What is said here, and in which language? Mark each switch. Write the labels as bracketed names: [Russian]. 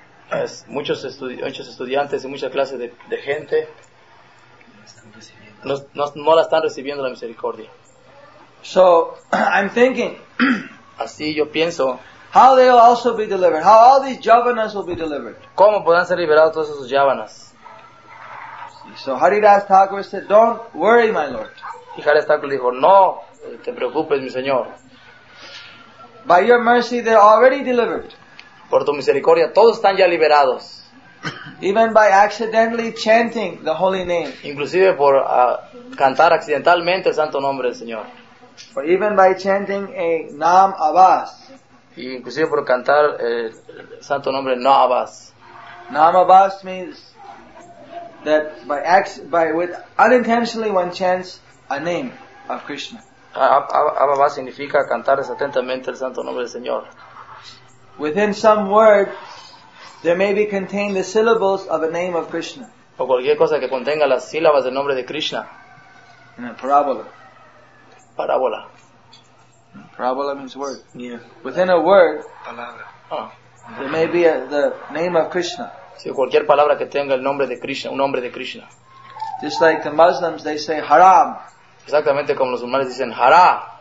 [Spanish] Es muchos estudiantes y muchas clases de gente no la están recibiendo la misericordia. [English] So, I'm thinking. [Spanish] Así yo pienso. [English] How they will also be delivered? How all these javanas will be delivered? [Spanish] ¿Cómo podrán ser liberados todos esos javanas? [English] So Haridas Thakur said, "Don't worry, my lord." [Spanish] Y Haridas Thakur dijo, "No, te preocupes, mi señor." [English] By your mercy, they're already delivered. [Spanish] Por tu misericordia, todos están ya liberados. [English] Even by accidentally chanting the holy name. [Spanish] Inclusive por cantar accidentalmente el santo nombre del Señor. [English] Or even by chanting a Naam Abbas. [Spanish] Y inclusive por cantar el santo nombre Naam Abbas. [English] Naam Abbas means that with unintentionally one chants a name of Krishna. [Spanish] Abba significa cantar desatentamente el santo nombre del Señor. [English] Within some word, there may be contained the syllables of a name of Krishna. [Spanish] O cualquier cosa que contenga las sílabas del nombre de Krishna. [English] In a parábola. [Spanish] Parábola. [English] Parábola means word. Yeah. Within a word, [Spanish] palabra. [English] There may be the name of Krishna. [Spanish] Sí, cualquier palabra que tenga el nombre de Krishna, un nombre de Krishna. [English] Just like the Muslims, they say haram. [Spanish] Exactamente como los humanos dicen hará.